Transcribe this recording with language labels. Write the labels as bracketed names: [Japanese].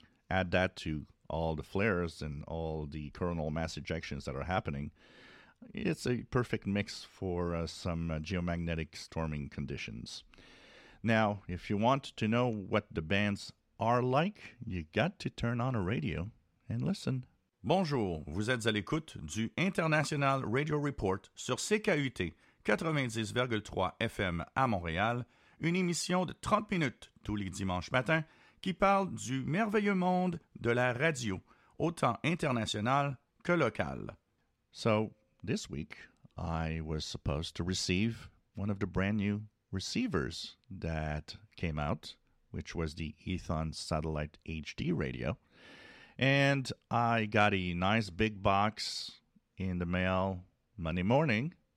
[English] Add that to all the flares and all the coronal mass ejections that are happening. It's a perfect mix for some geomagnetic storming conditions. Now, if you want to know what the bands are like, you got to turn on a radio and listen. [French] Bonjour, vous êtes à l'écoute du International Radio Report sur CKUT 90,3 FM à Montréal, une émission de 30 minutes tous les dimanches matins qui parle du merveilleux monde de la radio, autant international que local. [English] So, this week, I was supposed to receive one of the brand new receivers that came out, which was the Ethon Satellite HD radio. And I got a nice big box in the mail Monday morning.